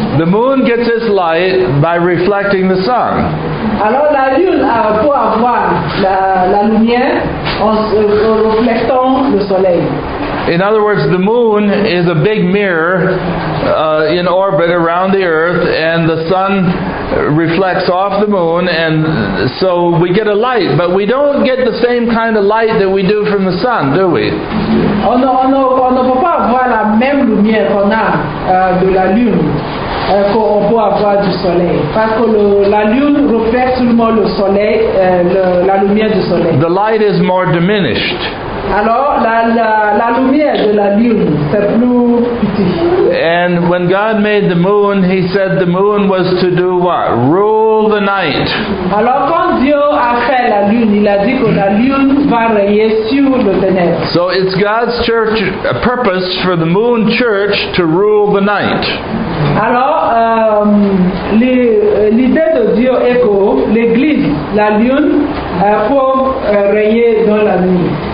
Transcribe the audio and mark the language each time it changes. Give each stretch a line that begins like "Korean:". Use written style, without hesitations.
English: The moon gets its light by reflecting the sun.
French: Alors la lune peut avoir la lumière en reflétant le soleil.
English: In other words, the moon is a big mirror in orbit around the earth, and the sun reflects off the moon, and so we get a light, but we don't get the same kind of light that we do from the sun, do we?
French: On ne peut pas avoir la même lumière qu'on a de la lune qu'on peut avoir du soleil, parce que la lune reflète seulement le soleil, la lumière du soleil.
English: The light is more diminished.
French: Alors, la lumière de la lune, c'est plus petit.
English: And when God made the moon, he said the moon was to do what? Rule the night.
French: Alors, quand Dieu a fait la lune, il a dit que la lune va régner sur le ténèbre.
English: So it's God's church purpose for the moon church to rule the night.
French: Alors, l'idée de Dieu est que l'église, la lune, pour régner dans la nuit.